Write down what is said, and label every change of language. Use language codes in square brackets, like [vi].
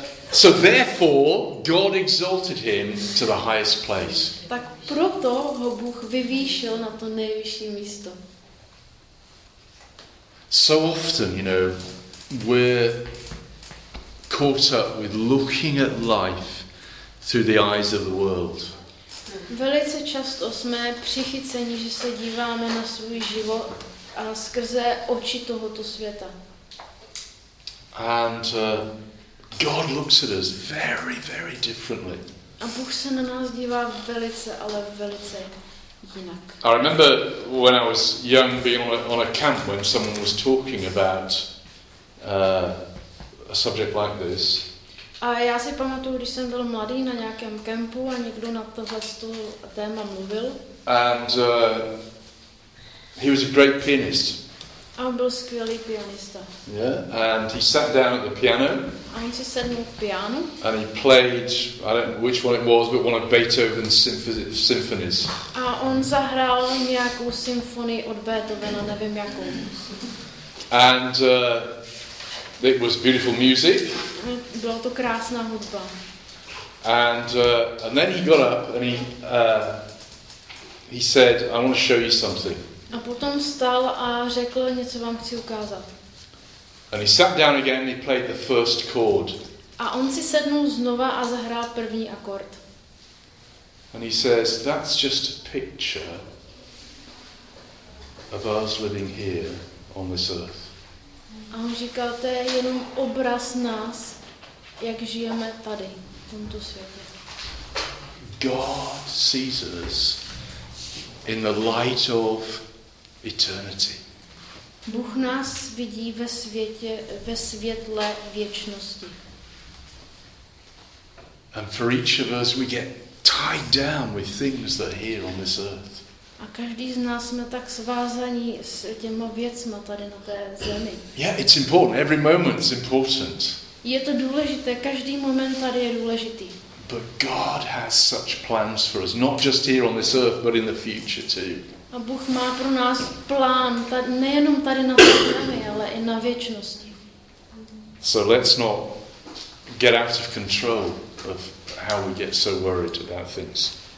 [en] So therefore God exalted him to the highest place. [cs] Tak proto ho Bůh vyvýšil na to nejvyšší místo. [en] So often, you know, we're caught up with looking at life through the eyes of the world. [cs] Velice často jsme přichyceni, že se díváme na svůj život a skrze oči tohoto světa. [en] And God looks at us very, very differently. [cs] A Bůh se na nás dívá velice, ale velice jinak. [en] I remember when I was young being on a camp when someone was talking about a subject like this. [cs] A já si pamatuju, když jsem byl mladý na nějakém kempu a někdo na tohle téma mluvil. [en] And he was a great pianist. [cs] A on byl skvělý pianista. [en] Yeah, and he sat down at the piano. [cs] A on si sedl k pianu. [en] And he played, I don't know which one it was, but one of Beethoven's symphonies. [cs] A on zahrál nějakou symfonii od Beethovena, nevím jakou. [en] And it was beautiful music. [cs] Byla to krásná hudba. [en] And then he got up and he said, "I want to show you something." [cs] A potom stál a řekl, něco vám chci ukázat. [en] And he sat down again and he played the first chord. [cs] A on si sednul znova a zahrál první akord. [en] And he says, "That's just a picture of us living here on this earth." [cs] A on říkal, to je jenom obraz nás, jak žijeme tady, v tomto světě. [en] God sees us in the light of eternity. [cs] Bůh nás vidí ve světě, ve světle věčnosti. [en] And for each of us we get tied down with things that are here on this earth. [cs] A každý z nás jsme tak svázaní s těma věcma tady na té zemi. [en] Yeah, it's important. Every moment's important. [cs] Je to důležité, každý moment tady je důležitý. [en] But God has such plans for us, not just here on this earth, but in the future too. [cs] A Bůh má pro nás plán, nejenom tady na té zemi, ale i na věčnosti. [en] So let's not get out of control of how we get so worried about things.